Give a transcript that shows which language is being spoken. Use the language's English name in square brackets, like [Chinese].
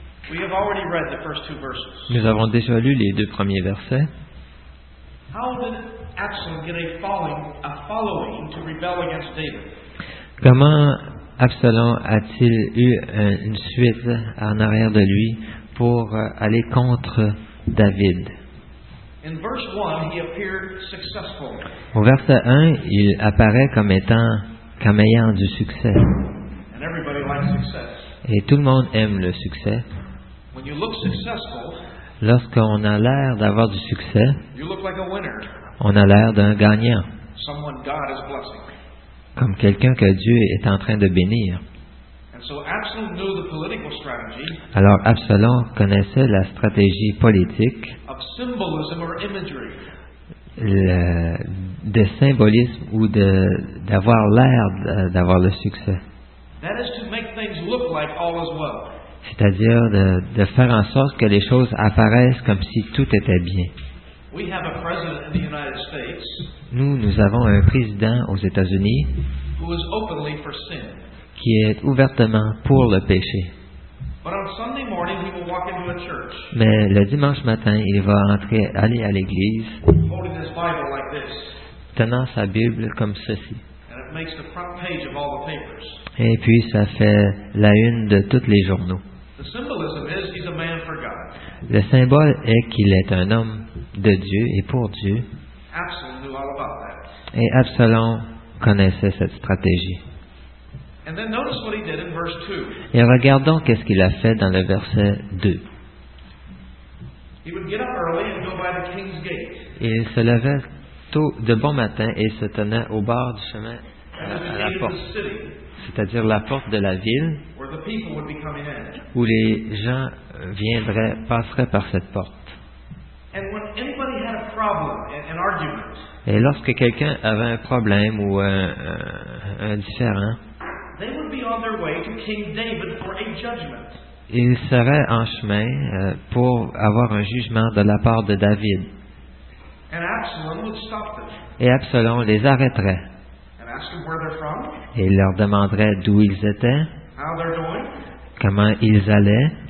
[English] We have already read the first two verses. [French] Nous avons déjà lu les deux premiers versets. [English] How did Absalom get a following to rebel against David? [French] Comment Absalom a-t-il eu une suite en arrière de lui pour aller contre David? [English] In verse 1, he appeared successful. [French] Au verset 1, il apparaît comme ayant du succès. [English] And everybody likes success. [French] Et tout le monde aime le succès. [English] When you look successful, [French] lorsqu'on a l'air d'avoir du succès, [English] you look like a winner. [French] On a l'air d'un gagnant. [English] Someone God is blessing. [French] Comme quelqu'un que Dieu est en train de bénir. [English] So Absalom knew the political strategy. [French] Alors Absalom connaissait la stratégie politique [English] of symbolism or imagery. [French] De symbolisme ou d'avoir l'air d'avoir le succès. [English] That is to make things look like all is well. [French] C'est-à-dire de faire en sorte que les choses apparaissent comme si tout était bien. [English] We have a president in the United States. [French] Nous avons un président aux États-Unis [English] who is openly for sin. [French] Qui est ouvertement pour le péché. [English] But on Sunday morning, he will walk into a church. [French] Mais le dimanche matin, il va aller à l'église [English] holding his Bible like this. [French] Tenant sa Bible comme ceci. [English] And it makes the front page of all the papers. [French] Et puis, ça fait la une de tous les journaux. [English] The symbolism is he's a man for God. [French] Le symbole est qu'il est un homme de Dieu et pour Dieu. [English] Absalom knew all about that. [French] Et Absalom connaissait cette stratégie. [English] And then notice what he did in verse 2. [French] Et regardons qu'est-ce qu'il a fait dans le verset 2. [English] He would get up early and go by the king's gate. [French] Il se levait tôt de bon matin et se tenait au bord du chemin à la porte, c'est-à-dire la porte de la ville [English] where the people would be coming in. [French] Où les gens viendraient, passeraient par cette porte. [English] And when anybody had a problem, an argument, [French] et lorsque quelqu'un avait un problème ou un différend, [English] they would be on their way to King David for a judgment. [French] Ils seraient en chemin pour avoir un jugement de la part de David. [English] And Absalom would stop them. [French] Et Absalom les arrêterait. [English] And ask them where they're from. [French] Et il leur demanderait d'où ils étaient. [English] How they're doing. [French] Comment ils allaient.